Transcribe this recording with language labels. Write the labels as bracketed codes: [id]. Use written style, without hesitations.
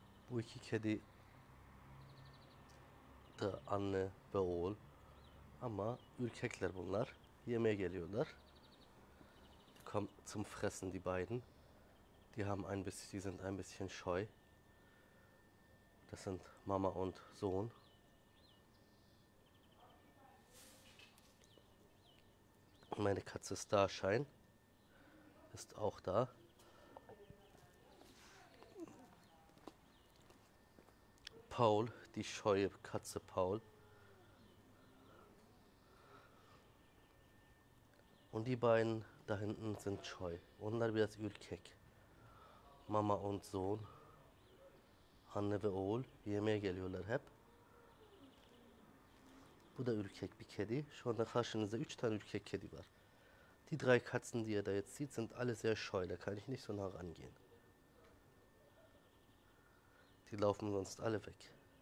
[tr] Bu iki kedi de anne ve oğul ama ürkekler bunlar. Yemeğe geliyorlar. [de] Komm zum fressen die beiden. Die haben ein bisschen, die sind ein bisschen scheu. Das sind Mama und Sohn. Meine Katze Starshine ist auch da. Paul, die scheue Katze Paul. Und die beiden da hinten sind scheu. [tr] Onlar biraz ürkek. [de] Mama und Sohn. [tr] Anne ve oğul yemeğe geliyorlar hep. Bu da ürkek bir kedi. Şu anda karşınızda 3 tane ürkek kedi var. [de] Die drei Katzen, die ihr da jetzt sieht, sind alle sehr scheu. Da kann ich nicht so nah rangehen. Die laufen sonst alle weg.